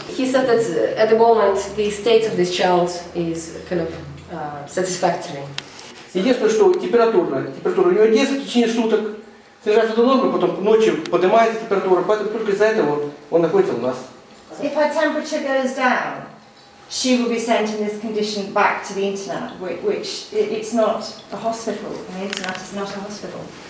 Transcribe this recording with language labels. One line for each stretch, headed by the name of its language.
English: He said that at the moment, the state of this child is kind of satisfactory.
Russian: Единственное, что температура у нее 10 в течение суток, снижается до нормы, потом ночью поднимается температура, поэтому только из-за этого он находится у нас.
English: If her temperature goes down, she will be sent in this condition back to the internat, which it's not a hospital. The internat is not a hospital.